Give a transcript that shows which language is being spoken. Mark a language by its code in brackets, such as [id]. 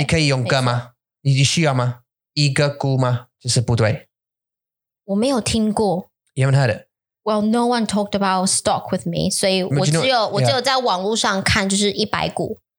[zh] 你可以用个吗? 你需要吗? 一个股吗? 就是不对。我没有听过. [en] You haven't heard it? Well, no one talked about stock with me. [zh] So, I只有在网络上看就是一百股.